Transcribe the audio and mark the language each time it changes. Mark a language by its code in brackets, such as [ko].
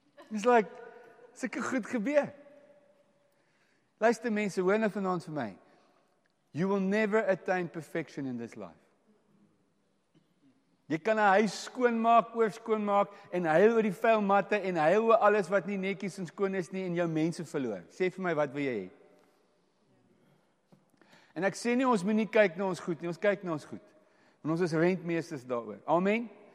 [en] It's like, [af] sulke goed gebeur. Luister mense, hoor nou vanaand vir my. [en] You will never attain perfection in this life. [af] Jy kan 'n huis skoon maak, oor skoon maak, en huil oor die vuil matte, en huil oor alles wat nie netjies en skoon is nie, en jou mense verloor. Sê vir my, wat wil jy hê? En ek sê nie, ons moet nie kyk na ons goed nie, ons kyk na ons goed. En ons is rentmeesters daaroor. Amen.